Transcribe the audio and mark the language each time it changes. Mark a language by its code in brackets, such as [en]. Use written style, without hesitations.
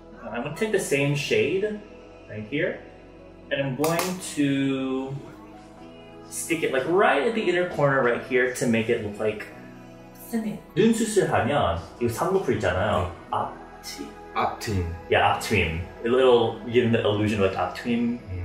[en] I'm gonna take the same shade right here. And I'm going to stick it like right at the inner corner right here to make it look like thinning. [ko] 눈 수술 하면 이거 삼각형 있잖아요. 앞트임. 앞트임. [en] Yeah, 앞트임. It'll give him the illusion of like 앞트임.